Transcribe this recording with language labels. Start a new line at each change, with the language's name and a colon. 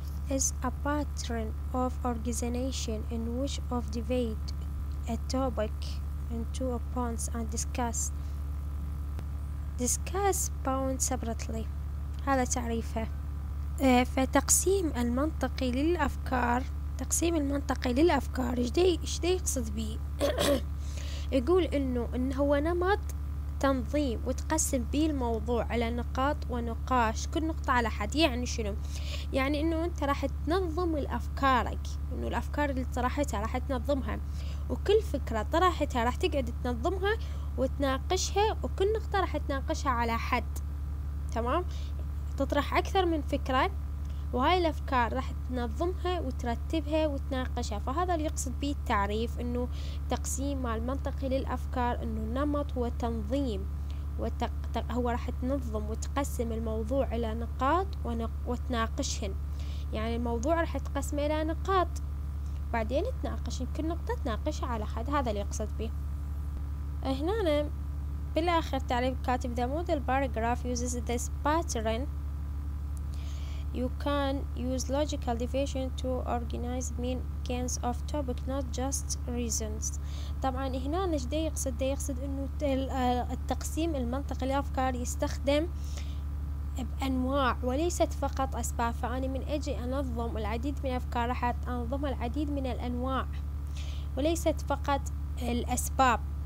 English: is a pattern of organization in which of divide a topic into points and discuss points separately.
Arabic: هذا تعريفه. فتقسيم المنطقي للأفكار، تقسيم المنطقي للأفكار إيش دي يقصد به؟ يقول إنه إن هو نمط تنظيم وتقسم به الموضوع على نقاط ونقاش، كل نقطة على حد. يعني شنو؟ يعني إنه أنت راح تنظم الأفكارك، إنه الأفكار اللي طرحتها راح تنظمها، وكل فكرة طرحتها راح تقعد تنظمها وتناقشها، وكل نقطة راح تناقشها على حد. تمام؟ تطرح أكثر من فكرة، وهاي الأفكار راح تنظمها وترتبها وتناقشها. فهذا اللي يقصد به التعريف، إنه تقسيم المنطقي للأفكار، إنه نمط هو تنظيم، هو راح تنظم وتقسم الموضوع إلى نقاط وتناقشهن. يعني الموضوع راح تقسمه إلى نقاط، بعدين تناقشهن، كل نقطة تناقشها على حد. هذا اللي يقصد به. هنا بالآخر تعريف كاتب:
English: The model paragraph uses this pattern. You can use logical division to organize main kinds of topic, not just reasons.
Arabic: طبعا هنا ايش دا يقصد؟ دا يقصد انه التقسيم المنطقي للأفكار يستخدم بأنواع وليست فقط أسباب. فأنا من أجي أنظم العديد من الأفكار، راح أنظم العديد من الأنواع وليست فقط الأسباب.